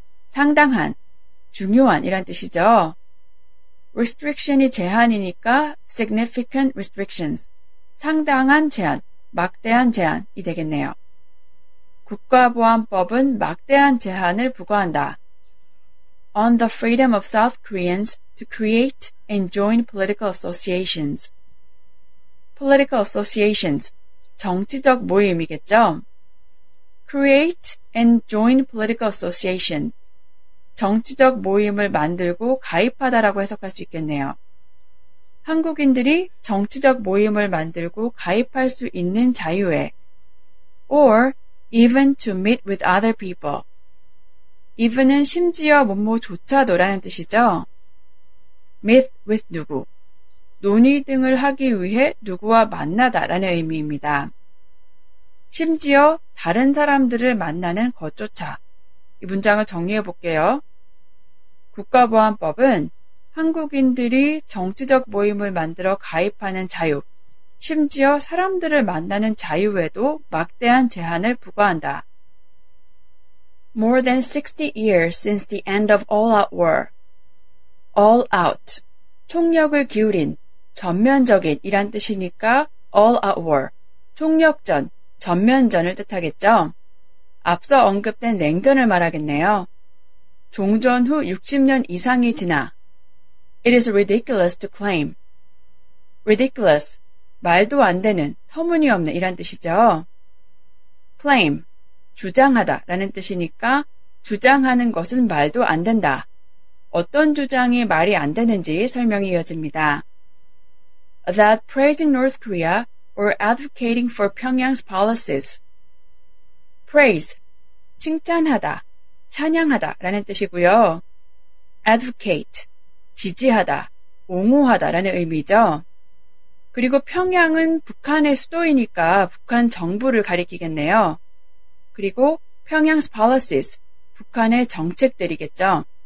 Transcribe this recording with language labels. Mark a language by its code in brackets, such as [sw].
[ko] 상당한, 중요한 이란 뜻이죠. restriction이 제한이니까 [en] significant restrictions, [ko] 상당한 제한, 막대한 제한이 되겠네요. 국가보안법은 막대한 제한을 부과한다. [en] on the freedom of South Koreans to create and join political associations. political associations, [ko] 정치적 모임이겠죠? [en] create and join political associations, [ko] 정치적 모임을 만들고 가입하다라고 해석할 수 있겠네요. 한국인들이 정치적 모임을 만들고 가입할 수 있는 자유에 [en] or even to meet with other people. [ko] even은 심지어 뭐뭐조차도라는 뜻이죠. [en] meet with 누구, [ko] 논의 등을 하기 위해 누구와 만나다라는 의미입니다. 심지어 다른 사람들을 만나는 것조차. 이 문장을 정리해 볼게요. 국가보안법은 한국인들이 정치적 모임을 만들어 가입하는 자유, 심지어 사람들을 만나는 자유에도 막대한 제한을 부과한다. [en] More than 60 years since the end of all-out war. All out, [ko] 총력을 기울인, 전면적인 이란 뜻이니까 [en] all out war, [ko] 총력전, 전면전을 뜻하겠죠. 앞서 언급된 냉전을 말하겠네요. 종전 후 60년 이상이 지나 [en] It is ridiculous to claim. [ko] Ridiculous, 말도 안 되는, 터무니없는 이란 뜻이죠. [en] Claim, [ko] 주장하다 라는 뜻이니까 주장하는 것은 말도 안 된다. 어떤 주장이 말이 안 되는지 설명이 이어집니다. [en] That praising North Korea or advocating for Pyongyang's policies. [ko] Praise, 칭찬하다, 찬양하다 라는 뜻이고요. advocate, 지지하다, 옹호하다 라는 의미죠. 그리고 평양은 북한의 수도이니까 북한 정부를 가리키겠네요. 그리고 평양's policies, 북한의 정책들이겠죠.